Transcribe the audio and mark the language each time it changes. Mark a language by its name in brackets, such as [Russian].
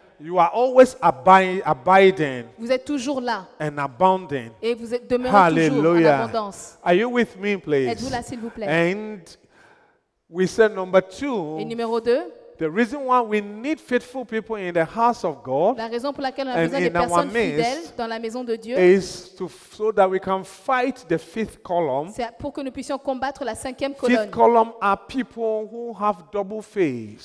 [English] You are always abiding. [French] Vous êtes toujours là. [English] And abounding. [French] Et vous demeurez toujours en abondance. [English] Are you with me, please? [French] Êtes-vous là, s'il vous plaît? [English] And we said number two. [French] Et numéro deux, [English] the reason why we need faithful people in the house of God. [French] La raison pour laquelle on a besoin des personnes fidèles dans la maison de Dieu. [English] Is to so that we can fight the fifth column. [French] C'est pour que nous puissions combattre la cinquième colonne. [English] Fifth column are people who have double face.